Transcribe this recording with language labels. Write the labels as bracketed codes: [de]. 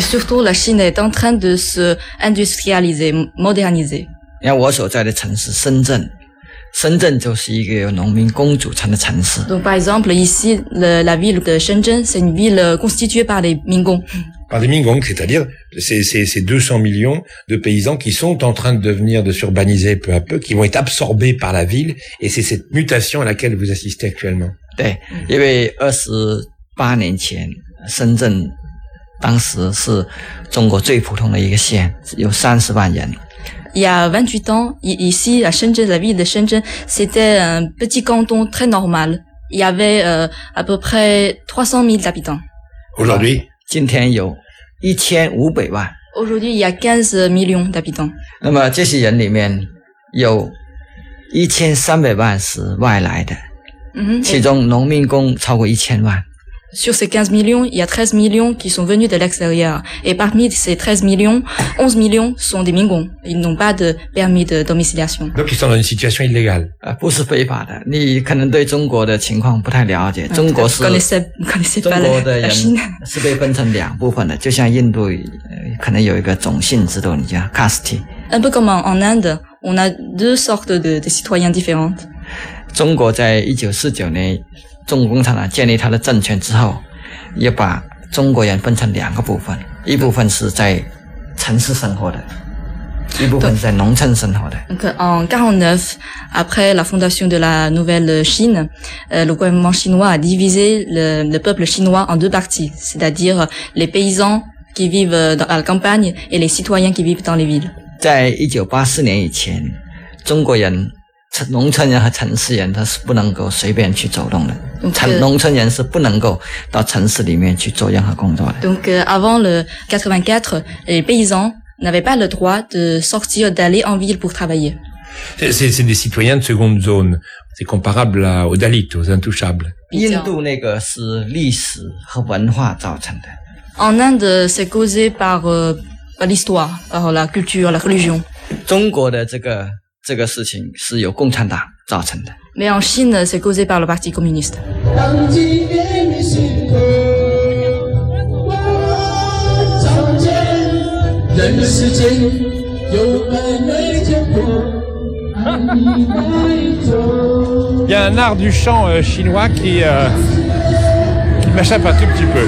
[fr] surtout, la Chine est en train de se industrialiser, moderniser. [zh] 我所在的城市深圳就是一个有农民工组成的城市。 [fr] Donc, par exemple, ici, la ville de Shenzhen, c'est une ville constituée par les Mingong. Par les Mingong, c'est-à-dire ces 200 millions de paysans qui sont en train de devenir, de s'urbaniser peu à peu, qui vont être absorbés par la ville, et c'est cette mutation à laquelle vous assistez actuellement. Oui, parce que 28 ans avant, [zh] Shenzhen, 当时是中国最普通的一个县，有30万人。 [fr] Il y a 28 ans, ici, à Shenzhen, la ville de Shenzhen, c'était un petit canton très normal. il y avait à peu près 300 000 habitants. Aujourd'hui ? [zh] Jintian you 1500 万. [fr] Aujourd'hui, il y a 15 millions d'habitants. [zh] 那么这些人里面, 有 1300 万是外来的, 其中农民工超过 1000 万. [fr] Sur ces 15 millions, il y a 13 millions qui sont venus de l'extérieur. Et parmi ces 13 millions, 11 millions sont des migrants. Ils n'ont pas de permis de domiciliation. Donc, ils sont dans une situation illégale. [zh] 不是非法的。你可能对中国的情况不太了解。中国是。 [fr] connaissez pas la Chine. [zh] 中国的人是被分成两部分的。就像印度可能有一个种姓制度，你叫 caste。 [fr] Un peu comme en Inde, on a deux sortes de citoyens différentes. [zh] 中国在1949年中国共产党建立他的政权之后，也把中国人分成两个部分，一部分是在城市生活的，一部分是在农村生活的。 [fr] Donc, en 49, après la fondation de la nouvelle Chine, le gouvernement chinois a divisé le peuple chinois en deux parties, c'est-à-dire les paysans qui vivent dans la campagne et les citoyens qui vivent dans les villes. [zh] 在1984年以前，中国人农村人和城市人他是不能够随便去走动的。农村人是不能够到城市里面去做任何工作的。 [fr] Donc, avant le 84, les paysans n'avaient pas le droit de sortir, d'aller en ville pour travailler. C'est des citoyens de seconde zone. C'est comparable aux Dalits, aux intouchables. [zh] 印度那个是历史和文化造成的。 [fr] En Inde, c'est causé par l'histoire, par la culture, la religion. [zh] 中国的这个事情是由共产党造成的。 [fr] Mais en Chine, c'est causé par le Parti communiste. [zh] 当今天你心痛，我唱着人世间有百媚千古。 [fr] Il y a un art du chant chinois qui m'échappe un tout petit peu.